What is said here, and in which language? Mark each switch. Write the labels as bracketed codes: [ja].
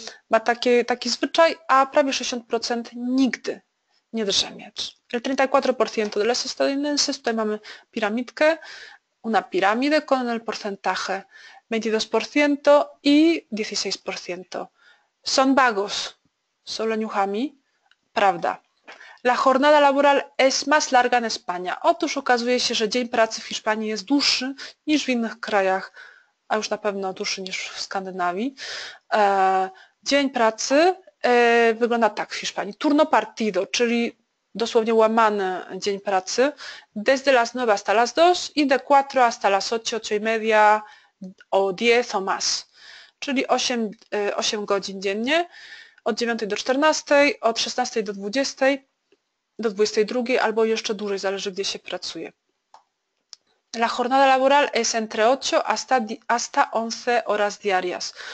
[pl] Ma taki zwyczaj, a prawie 60% nigdy nie drzemie. [es] El 34% de los estadounidenses, [pl] tutaj mamy piramidkę, [es] una pirámide con el porcentaje 22% y 16%. Son vagos, son [pl] leniuchami, prawda. [es] La jornada laboral es más larga en España. [pl] Otóż okazuje się, że dzień pracy w Hiszpanii jest dłuższy niż w innych krajach, a już na pewno dłuższy niż w Skandynawii. Dzień pracy wygląda tak w Hiszpanii. Turno partido, czyli dosłownie łamany dzień pracy. [es] Desde las 9 hasta las 2 i de 4 hasta las 8, 8 y media o 10 o más. [pl] Czyli 8 godzin dziennie. Od 9 do 14, od 16 do 20. do 22 albo jeszcze dłużej, zależy gdzie się pracuje. [es] La jornada laboral es entre 8 hasta 11 horas diarias.